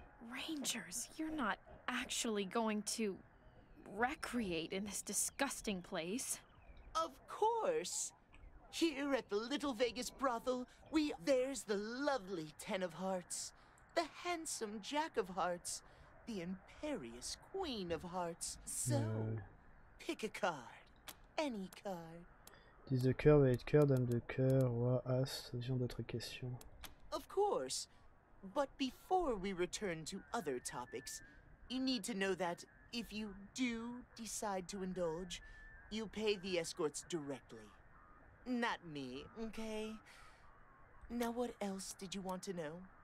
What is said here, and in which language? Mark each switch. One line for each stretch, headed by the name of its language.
English: Rangers, you're not actually going to recreate in this disgusting place. Of course. Here at the Little Vegas brothel, there's the lovely Ten of Hearts, the handsome Jack of Hearts, the imperious Queen of Hearts. So, pick a card. Any card.
French: 10 de cœur, valet de cœur, dame de cœur, roi, as, ce genre d'autres questions.
English: Of course. But before we return to other topics, you need to know that if you do decide to indulge, you pay the escorts directly. Not me, okay? Now what else did you want to know?